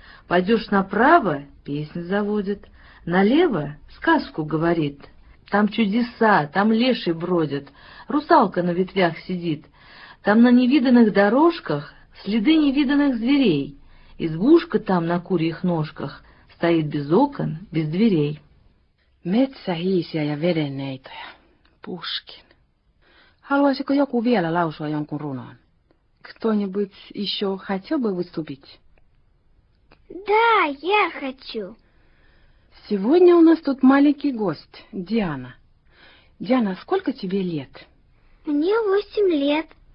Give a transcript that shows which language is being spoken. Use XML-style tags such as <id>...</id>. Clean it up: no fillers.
<ru>Пойдешь направо — песню заводит, налево — сказку говорит. Там чудеса, там леший бродит, русалка на ветвях сидит. Там на невиданных дорожках следы невиданных зверей. Избушка там на курьих ножках стоит без окон, без дверей.</ru> <fi>Metsä hiisiä ja vedenneitoja. Пушкин. Haluaisiko joku vielä lausua jonkun runon?</fi> <ru>Кто-нибудь еще хотел бы выступить? Да, я хочу. Сегодня у нас тут маленький гость, Диана. Диана, сколько тебе лет? Мне 8 лет.</ru>